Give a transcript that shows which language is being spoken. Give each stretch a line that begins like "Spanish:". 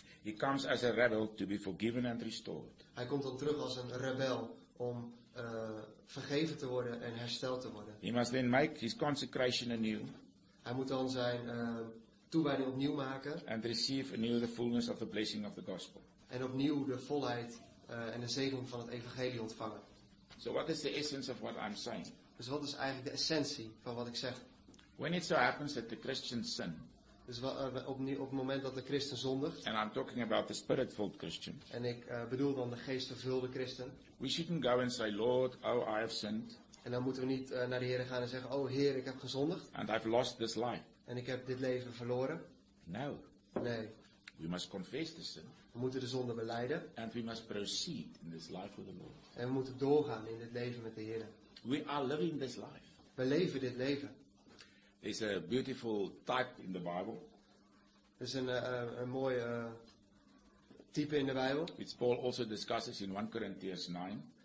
English: He comes as a rebel to be forgiven and restored.
Dutch: Hij komt dan terug als een rebel om vergeven te worden en hersteld te worden.
English: He must then make his consecration anew.
Dutch: Hij moet dan zijn toewijding opnieuw maken.
English: And receive anew the fullness of the blessing of the gospel.
Dutch: En opnieuw de volheid. En de zegen van het evangelie ontvangen.
English: So what is the essence of what I'm saying?
Dutch: Dus wat is eigenlijk de essentie van wat ik zeg?
English: When it so happens that the Christians sin.
Dutch: Dus op het moment dat de christen zondigt.
English: And I'm talking about the spirit-filled Christian.
Dutch: En ik bedoel dan de geestvervulde christen.
English: We shouldn't go and say, Lord, oh, I have sinned.
Dutch: En dan moeten we niet naar de Heer gaan en zeggen, oh Heer, ik heb gezondigd.
English: And I've lost this life.
Dutch: En ik heb dit leven verloren.
English: No.
Dutch: Nee.
English: We must confess the sin.
Dutch: We moeten de zonde belijden.
English: And we must proceed in this life with the Lord.
Dutch: En we moeten doorgaan in dit leven met de Heer.
English: We are living this life.
Dutch: We leven dit leven.
English: There's a beautiful type in the Bible.
Dutch: Er is een mooi type in de Bijbel.
English: Which Paul also discusses in 1 Corinthians 9.